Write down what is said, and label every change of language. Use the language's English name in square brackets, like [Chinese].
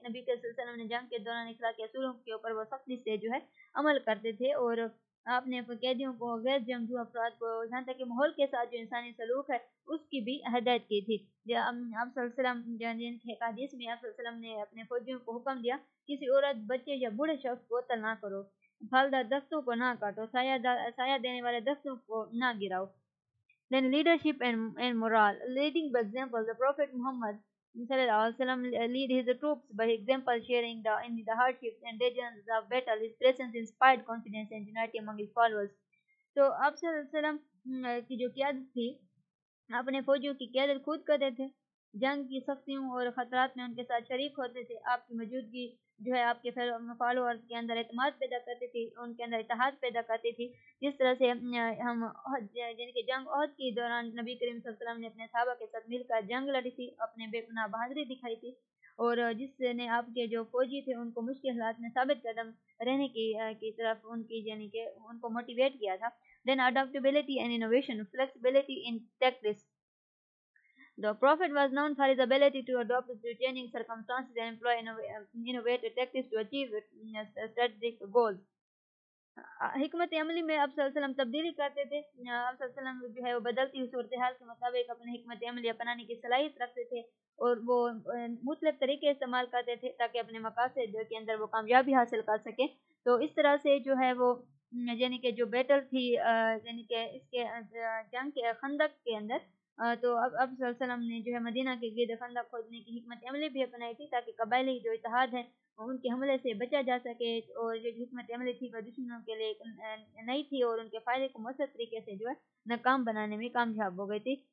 [Urdu] نبی صلی اللہ علیہ وسلم نے جنگ کے دوران اخلاقی اصولوں کے اوپر وہ سختی سے جو ہے عمل کرتے تھے, اور آپ نے قیدیوں کو, غیر جنگجو افراد کو, یہاں تک کہ ماحول کے ساتھ جو انسانی سلوک ہے اس کی بھی ہدایت کی تھی. آپ صلی اللہ علیہ وسلم حدیث میں آپ صلی اللہ علیہ وسلم نے اپنے فوجیوں کو حکم دیا, کسی عورت, بچے یا بوڑھے شخص کو قتل نہ کرو, پھلدار درختوں کو نہ کاٹو, سایہ دینے والے درختوں کو نہ گراؤ. [English] Then leadership and morale. Leading by example, the Prophet Muhammad sallallahu alaihi wasallam lead his troops by example, sharing the hardships and dangers of battle. His presence inspired confidence and unity among his followers. So, Abu Sallam [Urdu] کی جو قیادت تھی اپنے فوجوں کی قیادت خود کرتے تھے, جنگ کی سختیوں اور خطرات میں ان کے ساتھ شریک ہوتے تھے, آپ کی موجودگی جو ہے آپ کے فالوورز کے اندر اعتماد پیدا کرتی تھی, ان کے اندر اتحاد پیدا کرتی تھی, جس طرح سے ہم جن کی جنگ عہد کے دوران نبی کریم صلی اللہ علیہ وسلم نے اپنے صحابہ کے ساتھ مل کر جنگ لڑی تھی, اپنے بے پناہ بہادری دکھائی تھی, اور جس نے آپ کے جو فوجی تھے ان کو مشکل حالات میں ثابت قدم رہنے کی طرف ان کی یعنی کہ ان کو موٹیویٹ کیا تھا. دین adaptability and innovation flexibility in tactics. The Prophet was known for his ability to adapt to changing circumstances and employ innovative tactics to achieve strategic goals. حکمت عملی میں آپ صلی اللہ علیہ وسلم تبدیلی کرتے تھے, آپ صلی اللہ علیہ وسلم جو ہے وہ بدلتی صورتحال کے مطابق اپنے حکمت عملی اپنانے کی صلاحیت رکھتے تھے, اور وہ مختلف طریقے استعمال کرتے تھے تاکہ اپنے مقاصد کے اندر وہ کامیابی حاصل کر سکے. تو اس طرح سے جو ہے وہ یعنی کہ جو بیٹل تھی یعنی کہ اس کے جنگ کے خندق کے اندر, تو اب صلی اللہ علیہ وسلم نے جو ہے مدینہ کے گرد خندق کھودنے کی حکمت عملی بھی اپنائی تھی تاکہ قبائلی جو اتحاد ہیں ان کے حملے سے بچا جا سکے, اور جو حکمت عملی تھی وہ دشمنوں کے لیے نئی تھی اور ان کے فائدے کو مؤثر طریقے سے جو ہے ناکام بنانے میں کامیاب ہو گئی تھی.